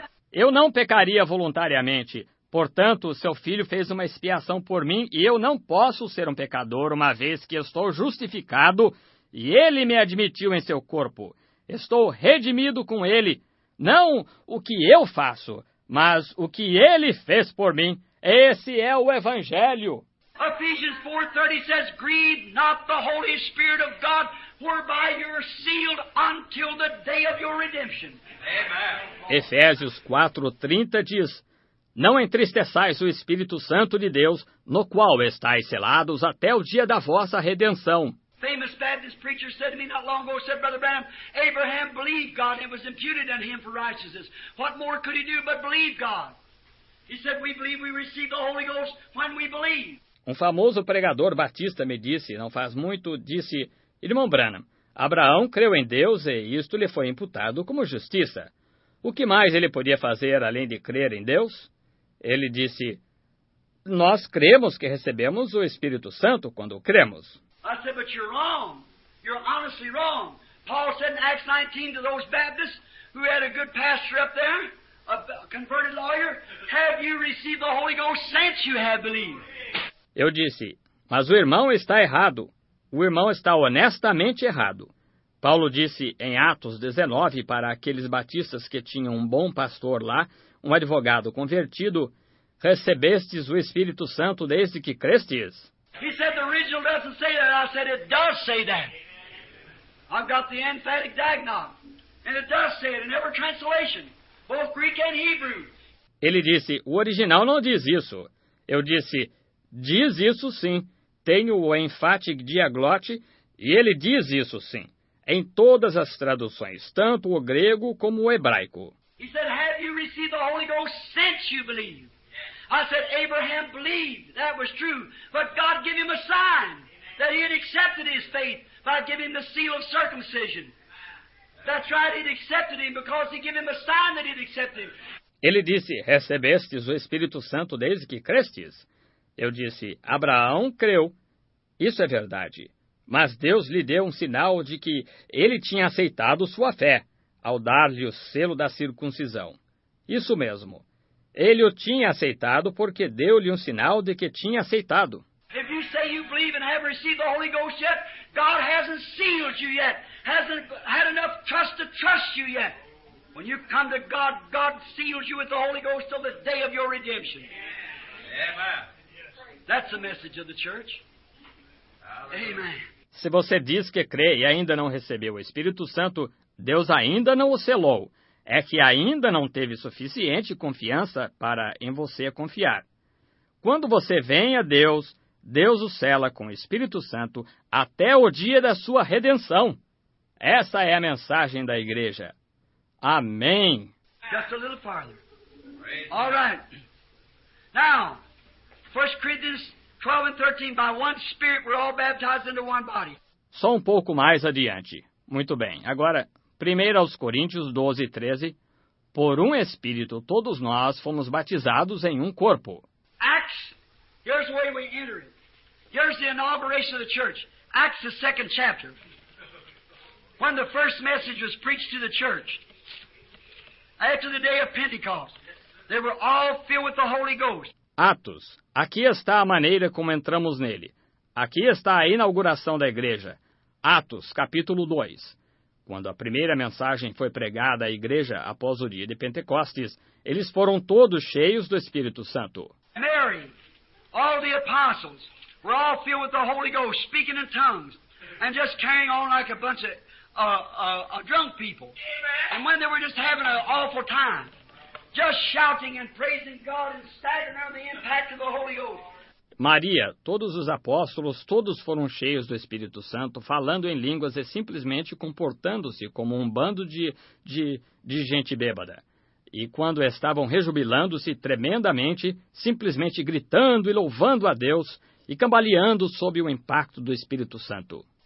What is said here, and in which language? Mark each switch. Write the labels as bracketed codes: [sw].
[pt] Eu não pecaria voluntariamente. Portanto, seu filho fez uma expiação por mim e eu não posso ser um pecador uma vez que estou justificado e ele me admitiu em seu corpo. Estou redimido com ele, não o que eu faço, mas o que ele fez por mim. Esse é o Evangelho. [en] Ephesians 4:30 says, grieve not the Holy Spirit of God, whereby you are sealed until the day of your redemption. Amen. [pt] Efésios 4:30 diz, não entristeçais o Espírito Santo de Deus, no qual estáis selados até o dia da vossa redenção. [en] Famous Baptist preacher said to me not long ago, said, Brother Branham, Abraham believed God and it was imputed unto him for righteousness. What more could he do but believe God? He said, we believe we receive the Holy Ghost when we believe. [pt] Famoso pregador batista me disse, não faz muito, disse, Irmão Branham, Abraão creu em Deus e isto lhe foi imputado como justiça. O que mais ele podia fazer além de crer em Deus? Ele disse, nós cremos que recebemos o Espírito Santo quando cremos. [en] I said, but you're wrong. You're honestly wrong. Paul said in Acts 19 to those Baptists who had a good pastor up there, a converted lawyer, have you received the Holy Ghost since you have believed? [pt] Eu disse, mas o irmão está errado. O irmão está honestamente errado. Paulo disse em Atos 19 para aqueles batistas que tinham um bom pastor lá, um advogado convertido, recebestes o Espírito Santo desde que crestes. [en] He said the original doesn't say that. I said it does say that. I've got the emphatic diagnostic. And it does say it in every translation, both Greek and Hebrew. [pt] Ele disse, o original não diz isso. Eu disse, diz isso sim. Tenho o emphatic diaglote e ele diz isso sim. Em todas as traduções, tanto o grego como o hebraico. [en] He said, have you received the Holy Ghost since you believe? I said, Abraham believed, that was true, but God gave him a sign that he had accepted his faith by giving him the seal of circumcision. That's right, he'd accepted him because he gave him a sign that he'd accepted. [pt] Ele disse, recebestes o Espírito Santo desde que crestes? Eu disse, Abraão creu. Isso é verdade. Mas Deus lhe deu um sinal de que ele tinha aceitado sua fé ao dar-lhe o selo da circuncisão. Isso mesmo. Ele o tinha aceitado porque deu-lhe um sinal de que tinha aceitado. [en] If you say you believe and have received the Holy Ghost yet, God hasn't sealed you yet, hasn't had enough trust to trust you yet. When you come to God, God seals you with the Holy Ghost till the day of your redemption. Amen. That's the message of the church. Amen. [pt] Se você diz que crê e ainda não recebeu o Espírito Santo, Deus ainda não o selou. É que ainda não teve suficiente confiança para em você confiar. Quando você vem a Deus, Deus o sela com o Espírito Santo até o dia da sua redenção. Essa é a mensagem da igreja. Amém. [en] Just a little farther. All right. Now, 1 Corinthians 12:13, by one spirit we're all baptized into one body. [pt] Só um pouco mais adiante. Muito bem. Agora, 1 Coríntios 12, 13. Por um Espírito, todos nós fomos batizados em um corpo. [en] Acts, here's the way we enter it. Here's the inauguration of the church. Acts, the second chapter. When the first message was preached to the church. After the day of Pentecost, they were all filled with the Holy Ghost. [pt] Atos, aqui está a maneira como entramos nele. Aqui está a inauguração da igreja. Atos, capítulo 2. Quando a primeira mensagem foi pregada à igreja após o dia de Pentecostes, eles foram todos cheios do Espírito Santo. [en] Mary, all the apostles were all filled with the Holy Ghost, speaking in tongues, and just carrying on like a bunch of drunk people. And when they were just having an awful time, just shouting and praising God and staggering under the impact of the Holy Ghost. [pt] Maria, todos os apóstolos, todos foram cheios do Espírito Santo, falando em línguas e simplesmente comportando-se como um bando de gente bêbada. E quando estavam rejubilando-se tremendamente, simplesmente gritando e louvando a Deus e cambaleando sob o impacto do Espírito Santo.